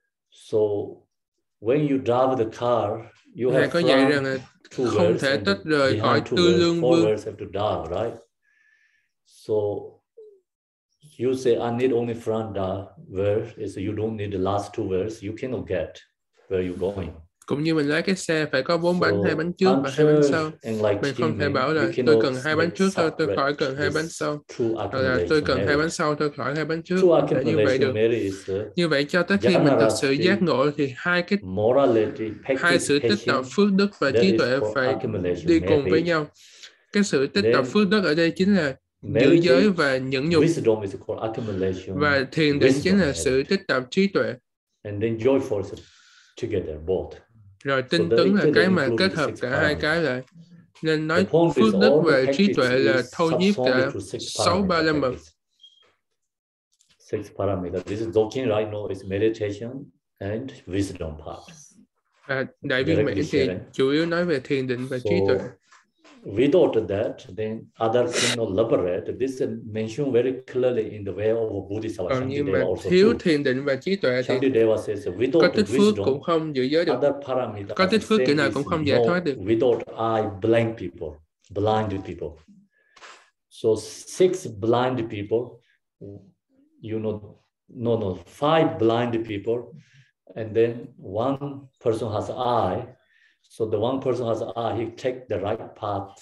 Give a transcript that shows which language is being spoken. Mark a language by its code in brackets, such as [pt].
[en] So when you drive the car, you have [vi] to dạy rằng là không thể tách rời khỏi tư lương vương. [en] Have to drive, right? So you say I need only front verse. Is so you don't need the last two verse. You cannot get where you're going. [vi] Cũng như mình lái cái xe phải có bốn bánh, hai bánh trước và hai bánh sau. Mình không thể bảo là tôi cần hai bánh trước thôi, tôi khỏi cần hai bánh sau. Hoặc là tôi cần hai bánh sau, tôi khỏi hai bánh trước. Như vậy được. Như vậy cho tới khi mình thực sự giác ngộ thì hai sự tích tập phước đức và trí tuệ phải đi cùng với nhau. Cái sự tích tập phước đức ở đây chính là giữ giới và nhẫn nhục. Và thiền định chính là sự tích tập trí tuệ. [en] And then joy force together both. [vi] Rồi tinh tấn là cái mà kết hợp cả hai cái lại. Nên nói phước đức và trí tuệ là thâu nhiếp cả sáu ba la mật. [en] Six parameters. This is Dzogchen right now is meditation and wisdom part. [vi] Đại viên mãn thì chủ yếu nói về thiền định và trí tuệ. [en] Without that, then other cannot liberate. This is mentioned very clearly in the way of Buddhist Shantideva also. [vi] Nhưng mà thiếu thiền định và trí tuệ thì [en] Shantideva says, without [vi] có tích phước cũng không giữ giới được. [en] Other parameter, [vi] có tích phước kiểu nào cũng không giải thoát được. [en] Without eye, blind people, blind people. So six blind people, you know, five blind people, and then one person has eye. So the one person has he take the right path.